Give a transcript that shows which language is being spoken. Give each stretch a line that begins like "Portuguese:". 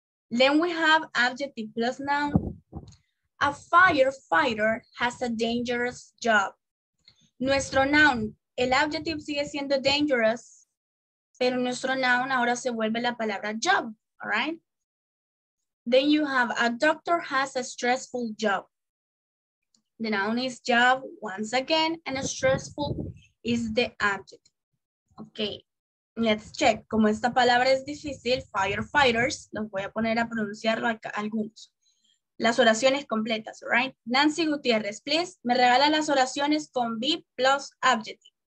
English: Then we have adjective plus noun. A firefighter has a dangerous job.
Spanish: Nuestro noun, el adjective sigue siendo dangerous, pero nuestro noun ahora se vuelve la palabra job, all right?
English: Then you have a doctor has a stressful job. The noun is job once again, and a stressful is the adjective. Okay, let's check.
Spanish: Como esta palabra es difícil, firefighters, los voy a poner a pronunciarlo acá, algunos. Las oraciones completas, right? Nancy Gutiérrez, please, me regala las oraciones con be plus adjective.